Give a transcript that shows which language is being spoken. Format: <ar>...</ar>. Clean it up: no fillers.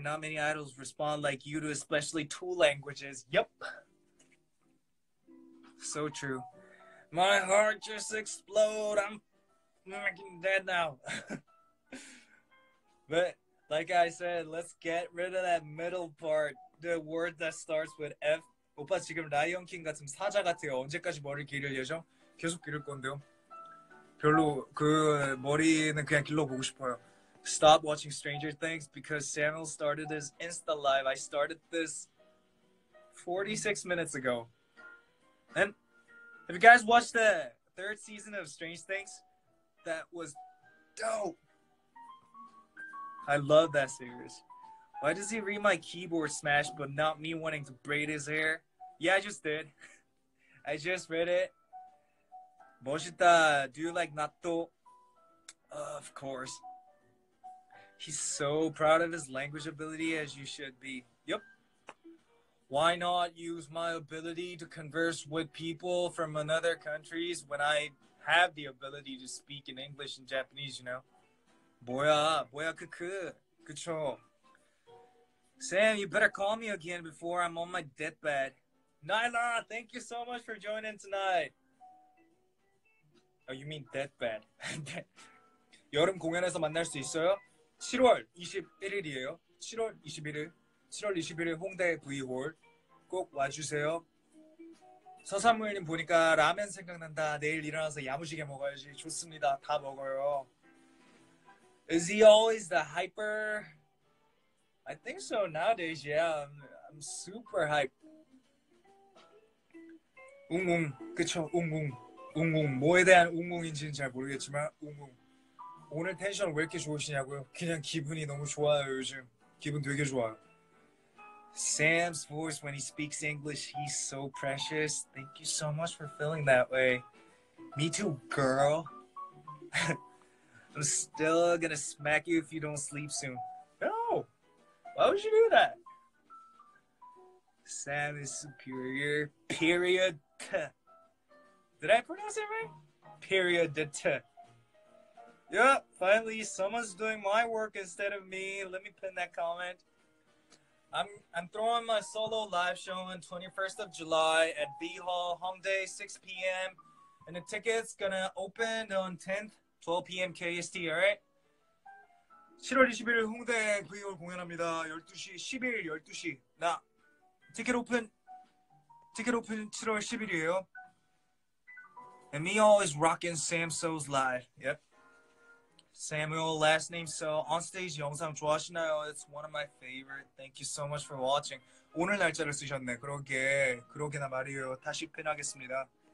<en>Not many idols respond like you do, especially two languages. Yep. So true. My heart just explode. I'm freaking dead now. But like I said, let's get rid of that middle part. The word that starts with F.</en> <ko>오빠 지금 라이언 킹 같은 사자 같아요. 언제까지 머리를 기를 예정? 계속 기를 건데요. 별로 그 머리는 그냥 길러보고 싶어요.</ko> <en>Stop watching Stranger Things because Samuel started his Insta live. I started this 46 minutes ago. And have you guys watched the third season of Strange Things? That was dope. I love that series. Why does he read my keyboard smash but not me wanting to braid his hair? Yeah, I just did. I just read it.</en> <ko>멋있다.</ko> <en>Do you like natto? Of course. He's so proud of his language ability, as you should be. Yep. Why not use my ability to converse with people from another countries when I have the ability to speak in English and Japanese, you know?</en> <ko>뭐야, 뭐야, 크크. 그쵸.</ko> <en>Sam, you better call me again before I'm on my deathbed. Nyla, thank you so much for joining tonight. Oh, you mean deathbed.</en> <ko>여름 공연에서 만날 수 있어요? 7월 21일이에요. 7월 21일. 7월 21일 홍대 V홀. 꼭 와주세요. 서사무엘님 보니까 라면 생각난다. 내일 일어나서 야무지게 먹어야지. 좋습니다. 다 먹어요.</ko> <en>Is he always the hyper? I think so nowadays, yeah. I'm super hype.</en> <ko>웅웅. 그쵸, 웅웅. 웅웅. 뭐에 대한 웅웅인지는 잘 모르겠지만 웅웅. 오늘 텐션 왜 이렇게 좋으시냐고요? 그냥 기분이 너무 좋아요, 요즘. 기분 되게 좋아요.</ko> <en>Sam's voice when he speaks English, he's so precious. Thank you so much for feeling that way. Me too, girl. I'm still gonna smack you if you don't sleep soon. No! Why would you do that? Sam is superior. Period. Did I pronounce it right? Period. Yep, finally someone's doing my work instead of me. Let me pin that comment. I'm throwing my solo live show on 21st of July at B Hall, Hongdae, 6 p.m. And the ticket's gonna open on 10th, 12 p.m. KST, alright?</en> <ko>7월 21일 홍대 V홀 공연합니다. 12시, 10일 12시. 나, 티켓 오픈 7월 10일이에요.</ko> <en>And me always rocking Sam So's live, yep. Samuel, last name, so on stage</en> <ko>영상 좋아하시나요?</ko> <en>It's one of my favorite. Thank you so much for watching.</en> <ko>오늘 날짜를 쓰셨네. 그러게. 그러게나 말이에요. 다시 핀하겠습니다.</ko>